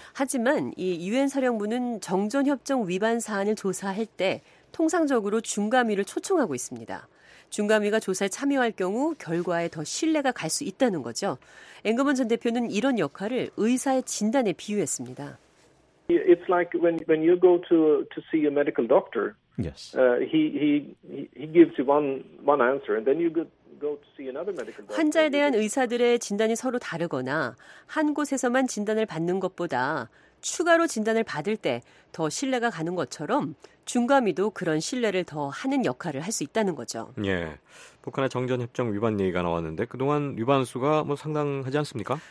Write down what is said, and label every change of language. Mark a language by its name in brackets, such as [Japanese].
[Korean] 하지만 이 유엔 사령부는 정전협정 위반 사안을 조사할 때 통상적으로 중감위를 초청하고 있습니다. 중감위가 조사에 참여할 경우 결과에 더 신뢰가 갈 수 있다는 거죠. 앵그먼 전 대표는 이런 역할을 의사의 진단에 비유했습니다. [English] It's like when you go to see a medical doctor. Yes. He gives you one answer and then you go to see another medical doctor. [Korean] 환자에 대한 의사들의 진단이 서로 다르거나 한 곳에서만 진단을 받는 것보다 추가로 진단을 받을 때 더 신뢰가 가는 것처럼 중과미도 그런 신뢰를 더 하는 역할을 할 수 있다는 거죠. 예, 북한의 정전협정 위반 얘기가 나왔는데 그동안 위반 수가 뭐 상당하지 않습니까?